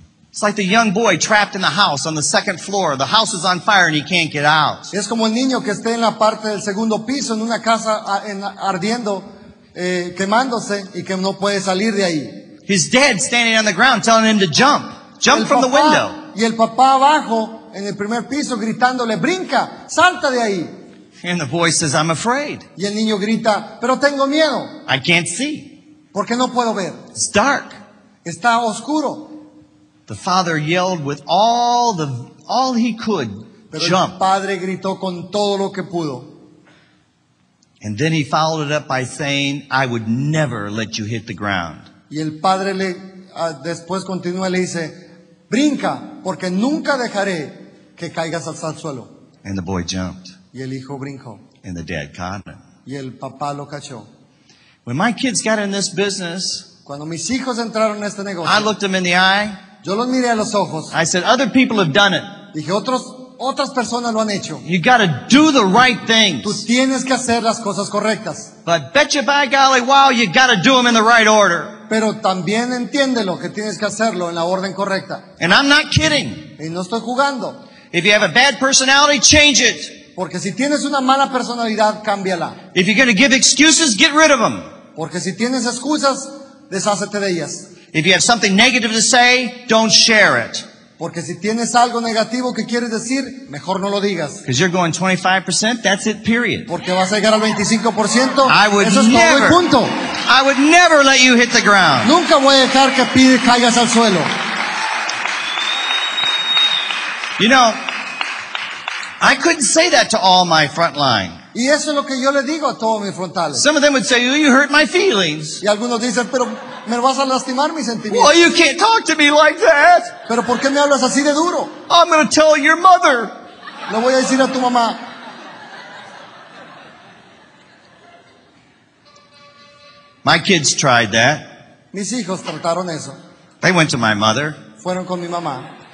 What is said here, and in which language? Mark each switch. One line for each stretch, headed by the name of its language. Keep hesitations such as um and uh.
English: It's like the young boy trapped in the house on the second floor. The house is on fire and he can't get out.
Spanish: Es como el niño que está en la parte del segundo piso en una casa ardiendo, eh, quemándose y que no puede salir de ahí.
English: His dad standing on the ground telling him to jump. Jump from the window.
Spanish: Y el papá abajo en el primer piso gritándole, brinca, salta de ahí.
English: And the boy says, I'm afraid.
Spanish: Y el niño grita, pero tengo miedo.
English: I can't see.
Spanish: Porque no puedo ver.
English: It's dark.
Spanish: Está oscuro.
English: The father yelled with all the all he could. jump.
Spanish: padre gritó con todo lo que pudo.
English: And then he followed it up by saying, "I would never let you hit the ground."
Spanish: Y el padre le uh, después continúa le dice, "Brinca porque nunca dejaré que caigas al suelo."
English: And the boy jumped.
Spanish: Y el hijo brincó.
English: And the dad caught him.
Spanish: Y el papá lo cachó.
English: When my kids got in this business,
Spanish: cuando mis hijos entraron en este negocio,
English: I looked them in the eye. I said, other people have done it.
Spanish: Dije, otros, otras personas lo han hecho.
English: You gotta do the right things.
Spanish: Tú tienes que hacer las cosas correctas.
English: But I bet you by golly, wow, you gotta do them in the right order.
Spanish: Pero también entiéndelo que tienes que hacerlo en la orden correcta.
English: And I'm not kidding.
Spanish: Y no estoy jugando.
English: If you have a bad personality, change it.
Spanish: Porque si tienes una mala personalidad, cámbiala.
English: If you're gonna give excuses, get rid of them.
Spanish: Porque si tienes excusas, deshácete de ellas.
English: If you have something negative to say, don't share it. Because
Spanish: si no
English: You're going 25%, that's it, period. I would never, no I would never let you hit the ground. You know, I couldn't say that to all my front line.
Spanish: Y eso es lo que yo le digo a todos mis frontales.
English: Some of them would say, oh, you hurt my feelings.
Spanish: Y algunos dicen, pero me vas a lastimar mis sentimientos.
English: Well, you can't talk to me like that.
Spanish: Pero ¿por qué me hablas así de duro?
English: I'm going to tell your mother.
Spanish: Lo voy a decir a tu mamá.
English: My kids tried that.
Spanish: Mis hijos trataron eso.
English: They went to my mother.
Spanish: Fueron con mi mamá.